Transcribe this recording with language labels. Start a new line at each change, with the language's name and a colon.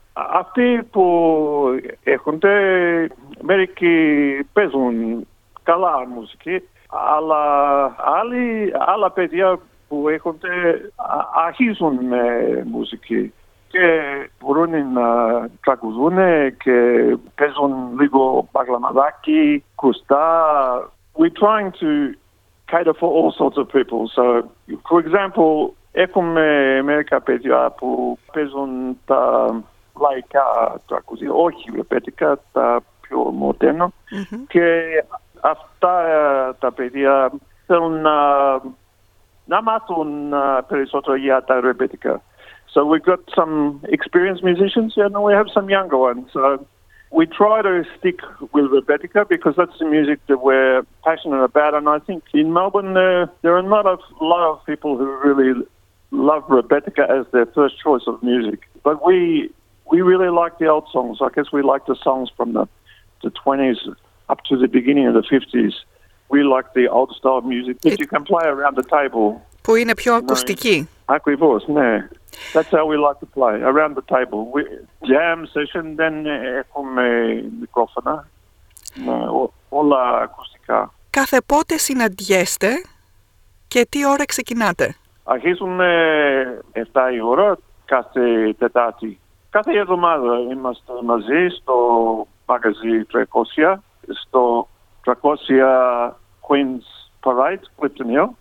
Greek: Αυτοί που έρχονται, μερικοί παίζουν καλά μουσική, αλλά άλλα παιδιά που έρχονται αρχίζουν με μουσική και μπορούν να τραγουδούν και παίζουν λίγο μπαγλαμαδάκι, κουστά.
English: We're trying to cater for all sorts of people. So, for example,
Greek: έχουμε μερικά παιδιά που παίζουν τα λαϊκά τραγουδία, όχι ρεπέτικα, τα πιο μοντέρνα. Και αυτά τα παιδιά θέλουν να μάθουν περισσότερο για τα ρεπέτικα.
English: So we've got some experienced musicians and we have some younger ones. So we try to stick with rebetika because that's the music that we're passionate about. And I think in Melbourne there are not a lot of people who really love rebetika as their first choice of music. But we really like the old songs. I guess we like the songs from the 20s up to the beginning of the 50s. We like the old style of music that you can play around the table.
Greek: Που είναι πιο ακουστική. Ακριβώς, ναι.
English: That's how we like to play, around the table. We jam session, then
Greek: έχουμε μικρόφωνα. Όλα ακουστικά. Κάθε πότε συναντιέστε και τι ώρα ξεκινάτε? Αρχίζουμε 7 η ώρα κάθε Τετάρτη. Κάθε εβδομάδα είμαστε μαζί στο μαγαζί 300, στο 300 Queens Parade, Clifton Hill.